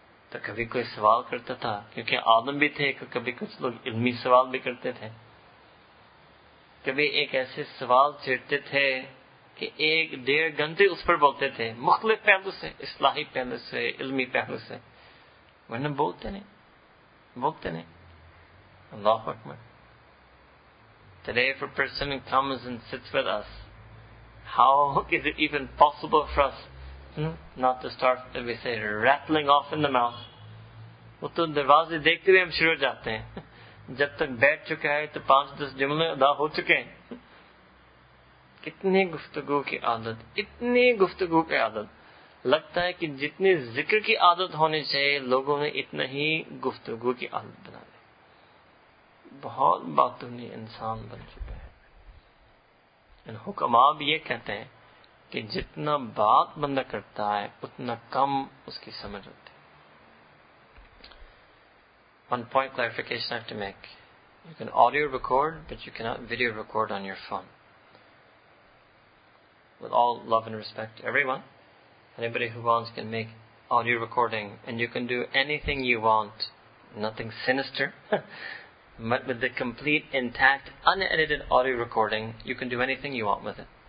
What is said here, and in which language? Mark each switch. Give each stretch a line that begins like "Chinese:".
Urdu: تو کبھی کوئی سوال کرتا تھا, کیونکہ آدم بھی تھے, کبھی کچھ لوگ علمی سوال بھی کرتے تھے. کبھی ایک ایسے سوال چھیڑتے تھے کہ ایک ڈیڑھ گھنٹے اس پر بولتے تھے مختلف پہلو سے, اصلاحی پہلو سے, علمی پہلو سے, ورنہ بولتے نہیں, بولتے نہیں. اللہ اکبر.
English: Today if a person comes and sits with us, how is it even possible for us not to start, let me say, rattling off in the mouth?
Urdu: وہ تو دروازے دیکھتے ہوئے ہم شروع جاتے ہیں, جب تک بیٹھ چکا ہے تو پانچ دس جملے ادا ہو چکے ہیں. کتنی گفتگو کی عادت, اتنی گفتگو کی عادت, لگتا ہے کہ جتنی ذکر کی عادت ہونی چاہیے لوگوں نے اتنا ہی گفتگو کی عادت بنا لی. بہت باطنی انسان بن چکے ہیں. ان حکماء بھی یہ کہتے ہیں کہ جتنا بات بندہ کرتا ہے اتنا کم اس کی سمجھ ہوتی.
English: One point clarification I have to make. You can audio record, but you cannot video record on your phone. With all love and respect to everyone, anybody who wants can make audio recording, and you can do anything you want, nothing sinister, but with the complete, intact, unedited audio recording, you can do anything you want with it.